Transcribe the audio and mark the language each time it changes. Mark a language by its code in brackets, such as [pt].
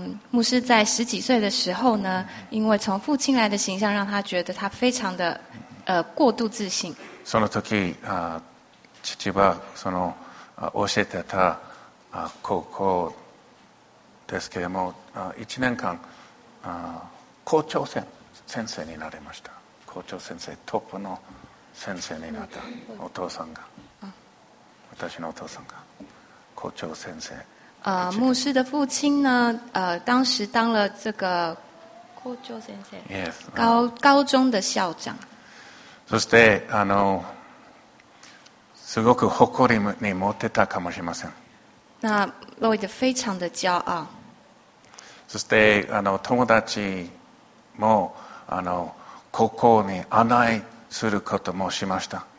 [zh] 牧师在十几岁的时候呢，因为从父亲来的形象，让他觉得他非常的过度自信。 [ja] その時父はその教えてた高校ですけれども1年間校長先生になりました。校長先生トップの先生になったお父さんが、私のお父さんが校長先生。 [zh] 牧師的父親呢当时当了这个校長先生、 [en] yes. [zh] 高中的校長。 [ja] そしてすごく誇りに持ってたかもしれません。 [zh] 那ロイド非常的骄傲。 [ja] そして友達も高校に案内することもしました。